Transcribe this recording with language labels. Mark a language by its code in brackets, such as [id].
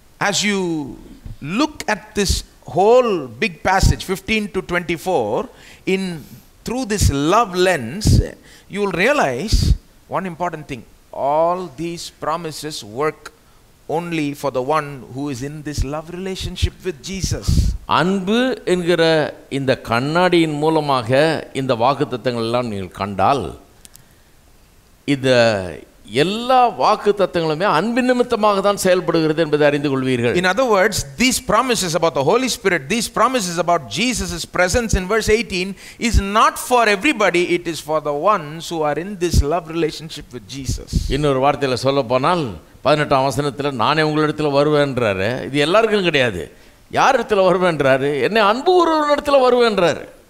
[en] As you look at this whole big passage 15 to 24 in through this love lens, you will realize one important thing. All these promises work only for the one who is in this love relationship with Jesus. [ta] அன்பு என்கிற இந்த கண்ணாடியின் மூலமாக இந்த வாக்குத்தத்தங்கள் எல்லாம் நீங்கள் கண்டால் இந்த எல்லா வாக்குத்தத்தங்களுமே அன்பின் நிமித்தமாக தான் செயல்படுகிறது என்பதை அறிந்து கொள்வீர்கள். [en] In other words, these promises about the Holy Spirit, these promises about Jesus's presence in verse 18 is not for everybody, it is for the ones who are in this love relationship with Jesus. [ta] இன்னொரு வார்த்தையில சொல்லப்போனால் 18 வசனத்தில் நானே உங்களிடத்தில் வருவேன்றாரு. இது எல்லாருக்கும் கிடையாது. யார் இடத்துல வருவேன்றாரு? என்னை அன்பு உறவினிடத்தில் வருவேன்றாரு.